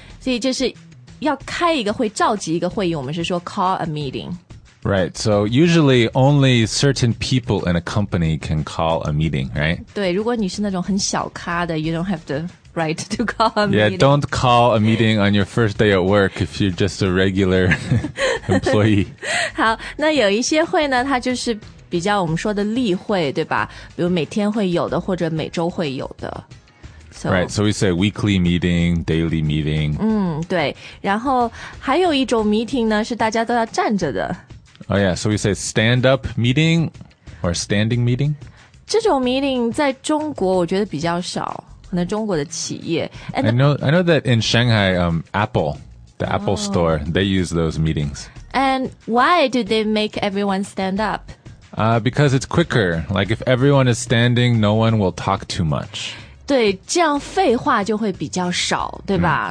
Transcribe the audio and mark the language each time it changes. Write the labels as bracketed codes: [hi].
[zh] 所以就是要开一个会，召集一个会议，我们是说 [en] call a meeting. Right, so usually only certain people in a company can call a meeting, right? [zh] 对，如果你是那种很小咖的 [en] you don't have the right to call a meeting. Yeah, don't call a meeting on your first day at work if you're just a regular employee. [zh] 好，那有一些会呢，它就是比较我们说的例会，对吧？比如每天会有的或者每周会有的。 [en] So, right, so we say weekly meeting, daily meeting. [zh] 嗯，对，然后还有一种 meeting 呢，是大家都要站着的。 [en] Oh yeah, so we say stand-up meeting or standing meeting? [zh] 这种 meeting 在中国我觉得比较少，可能中国的企业。 [en] I know that in Shanghai, Apple, the Apple store, they use those meetings. And why do they make everyone stand up? Because it's quicker. Like if everyone is standing, no one will talk too much. [zh] 对，这样废话就会比较少，对吧？